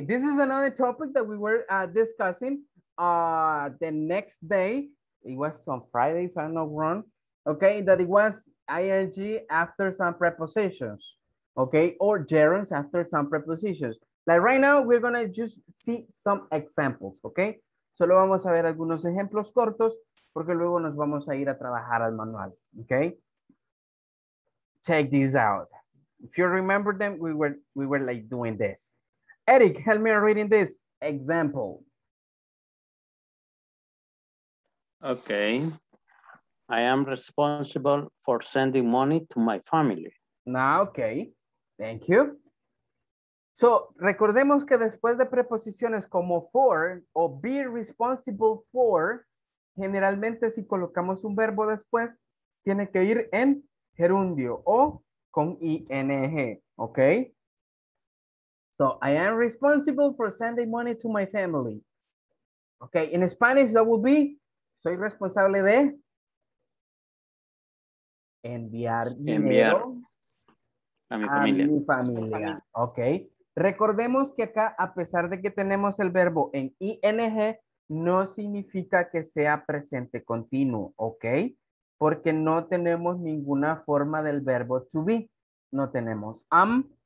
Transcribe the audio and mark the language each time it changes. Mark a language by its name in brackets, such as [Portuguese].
[English] This is another topic that we were discussing the next day. It was on Friday, if I'm not wrong. Okay, that it was ing after some prepositions. Okay, or gerunds after some prepositions. Like right now, we're gonna just see some examples. [Spanish] Okay, solo vamos a ver algunos ejemplos cortos porque luego nos vamos a ir a trabajar al manual. [English] Okay, check this out. If you remember them, we were like doing this. Eric, help me reading this example. Okay, I am responsible for sending money to my family. Now, okay, thank you. [Spanish] So, recordemos que después de preposiciones como for o be responsible for, generalmente si colocamos un verbo después, tiene que ir en gerundio o con ing, okay? [English] So, I am responsible for sending money to my family. Okay, in Spanish that would be [Spanish] soy responsable de enviar a mi familia. Ok. Recordemos que acá, a pesar de que tenemos el verbo en ing, no significa que sea presente continuo, ¿ok? Porque no tenemos ninguna forma del verbo to be. No tenemos am,